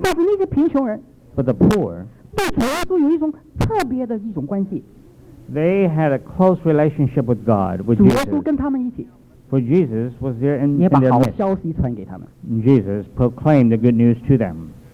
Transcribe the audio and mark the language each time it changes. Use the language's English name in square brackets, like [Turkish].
[Chinese] 但是那些贫穷人。 [English] But the poor. [Chinese] 对主耶稣有一种特别的一种关系。 [English] They had a close relationship with God, with Jesus. For Jesus was there in their midst. Jesus proclaimed the good news to them.